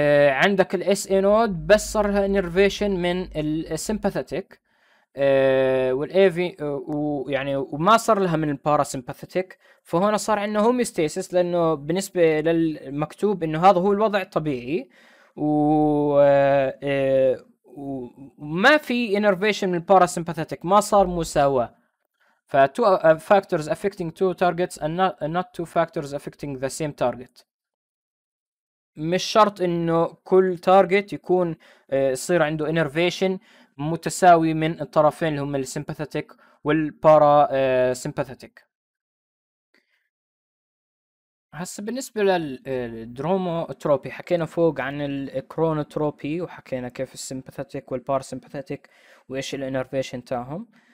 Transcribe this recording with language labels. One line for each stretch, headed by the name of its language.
Arabic: عندك الـ SA node بس صار لها innervation من الـ sympathetic والـ AV ويعني وما صار لها من الـ parasympathetic فهنا صار عندنا homeostasis لأنه بالنسبة للمكتوب إنه هذا هو الوضع الطبيعي وما في innervation من الـ parasympathetic ما صار مساواة.
English: فـ two factors affecting two targets and not two factors affecting the same target.
Arabic: مش شرط انه كل تارجت يكون يصير عنده انرفيشن متساوي من الطرفين اللي هم السمباثيتك والبارا سمباثيتك. هسه بالنسبه للدروموتروبي حكينا فوق عن الكرونوتروبي وحكينا كيف السمباثيتك والبارا سمباثيتك وايش الانرفيشن تاعهم.